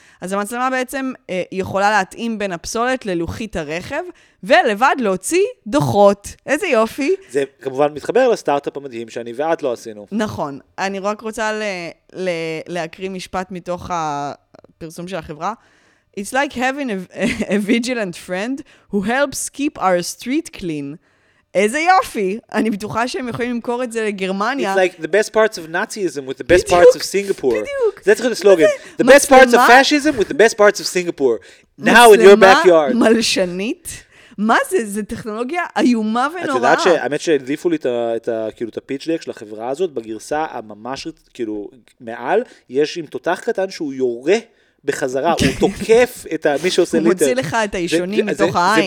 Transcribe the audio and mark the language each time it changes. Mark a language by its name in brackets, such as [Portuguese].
[Hebrew] אז המצלמה בעצם יכולה להתאים בין הפסולת ללוחית הרכב, ולבד להוציא דוחות. איזה יופי. זה כמובן מתחבר לסטארט-אפ המדהים שאני ואת לא עשינו. נכון. אני רק רוצה להקריא משפט מתוך הפרסום של החברה. [English] It's like having a vigilant friend who helps keep our street clean. [Hebrew] איזה יופי. אני בטוחה שהם יכולים למכור את זה לגרמניה. [English] It's like the best parts of Nazism with the best [Hebrew] בדיוק, [English] parts of Singapore. [Hebrew] בדיוק. זה צריך להיות הסלוגן. [English] The best parts of fascism with the best parts of Singapore. Now in your backyard. [Hebrew] מצלמה מלשנית? מה זה? זה טכנולוגיה איומה ונוראה. את יודעת שהאמת שהדליפו לי את הפיץ' דק של החברה הזאת, בגרסה הממש כאילו מעל, יש עם תותח קטן שהוא יורה בחזרה, הוא תוקף את מי שעושה ליטר. הוא מוציא לך את האישונים מתוך העין.